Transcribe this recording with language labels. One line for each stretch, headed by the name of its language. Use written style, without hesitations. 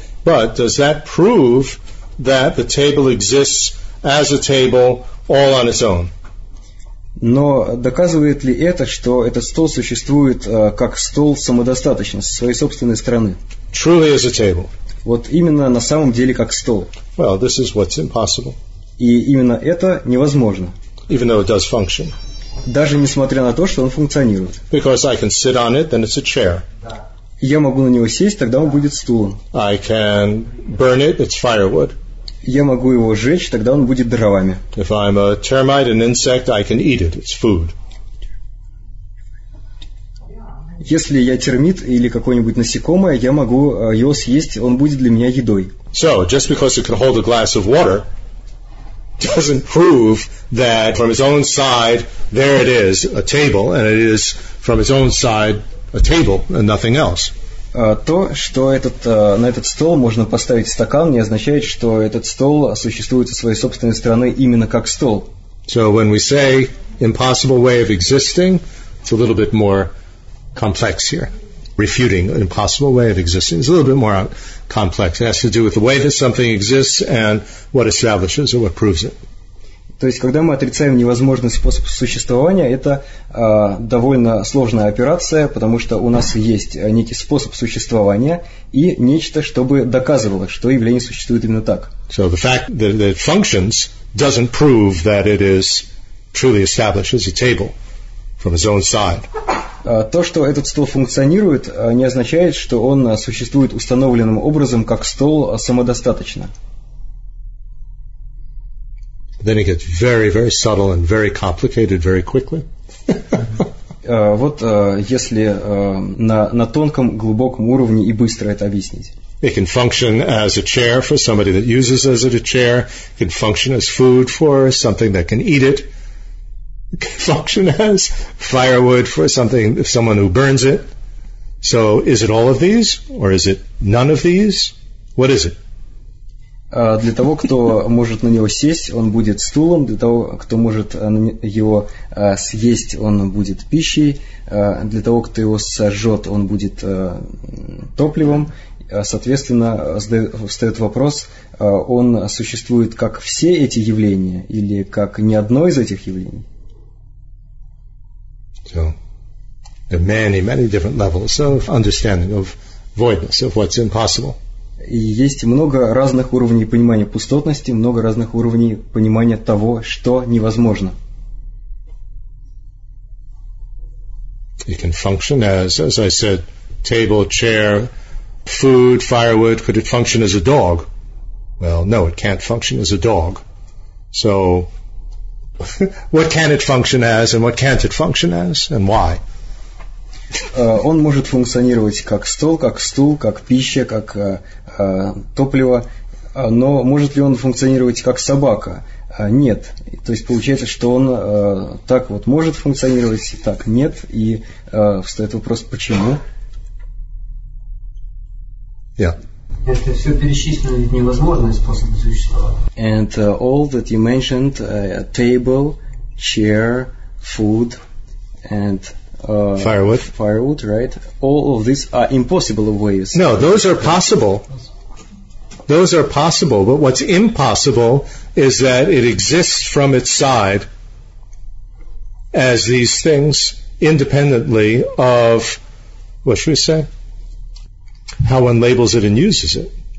English: But does that prove that the table exists as a table all on its own?
Russian: Но доказывает ли это, что этот стол существует как стол самодостаточно, со своей собственной стороны?
English: Truly as a table.
Russian: Вот именно на самом деле как стол.
English: Well, this is what's impossible.
Russian: И именно это невозможно.
English: Even though it does function.
Russian: Даже несмотря на то, что он функционирует.
English: Because I can sit on it, then it's a chair.
Russian: Я могу на него сесть, тогда он будет стулом.
English: I can burn it, it's firewood.
Russian: Я могу его сжечь, тогда он будет дровами.
English: If I'm a termite, an insect, I can eat it, it's food.
Russian: Если я термит или какое-нибудь насекомое, я могу его съесть, он будет для меня едой.
English: So, just because it can hold a glass of water doesn't prove that from its own side there it is, a table, and it is from its own side a table and nothing else.
Russian: То, что этот, на этот стол можно поставить стакан, не означает, что этот стол существует со своей собственной стороны именно как стол.
English: So, when we say impossible way of existing, it's a little bit more complex here. Refuting an impossible way of existing is a little bit more complex. It has to do with the way that something exists and what establishes or what proves it.
Russian: То есть, когда мы отрицаем невозможный способ существования, это довольно сложная операция, потому что у нас есть некий способ существования и нечто, чтобы доказывало, что явление существует именно так.
English: So the fact that it functions doesn't prove that it is truly established as a table from its own side.
Russian: То, что этот стол функционирует, не означает, что он существует установленным образом как стол самодостаточно.
English: Then it gets very, very subtle and very complicated very quickly.
Russian: Вот если на тонком, глубоком уровне и быстро это объяснить.
English: It can function as a chair for somebody that uses as it a chair. It can function as food for something that can eat it. Function as firewood for something, someone who burns it. So, is it all of these, or is it none of these? What is it?
Russian: Для того, кто может на него сесть, он будет стулом. Для того, кто может его съесть, он будет пищей. Для того, кто его сожжет, он будет топливом. Соответственно, встает вопрос, он существует как все эти явления или как ни одно из этих явлений?
English: So, there are many, many different levels of understanding of voidness, of what's impossible.
Russian: И есть много разных уровней понимания пустотности, много разных уровней понимания того, что невозможно.
English: It can function as I said, table, chair, food, firewood. Could it function as a dog? Well, no, it can't function as a dog. So, what can it function as, and what can't it function as, and why?
Russian: Он может функционировать как стол, как стул, как пища, как топливо, но может ли он функционировать как собака? Нет. То есть получается, что он так вот может функционировать, так нет, и встает вопрос, почему?
English: Yeah.
Russian: Это все перечислено, ведь невозможные способы существования.
English: And all that you mentioned, table, chair, food, and firewood, right? All of these are impossible ways. No, those are possible. Those are possible, but what's impossible is that it exists from its side as these things independently of, what should we say, how one labels it and uses it.